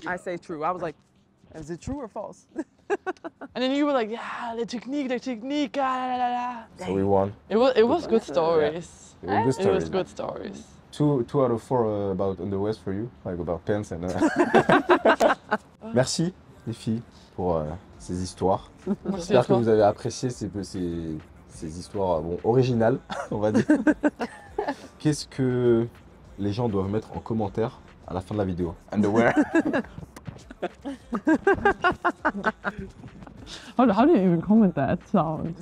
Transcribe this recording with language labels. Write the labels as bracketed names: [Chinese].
[English] I say true. I was like, is it true or false? And then you were like, yeah, the technique, ah, la, la, la. So we won. It was good stories. Yeah. It was good stories. It was good stories. Two out of four about underwear for you, like about pants and... [French] Merci, les filles, pour ces histoires. Merci. J'espère que vous avez apprécié ces histoires bon, originales, on va dire. Qu'est-ce que les gens doivent mettre en commentaire à la fin de la vidéo? [English] Underwear. Oh, how do you even comment that sound?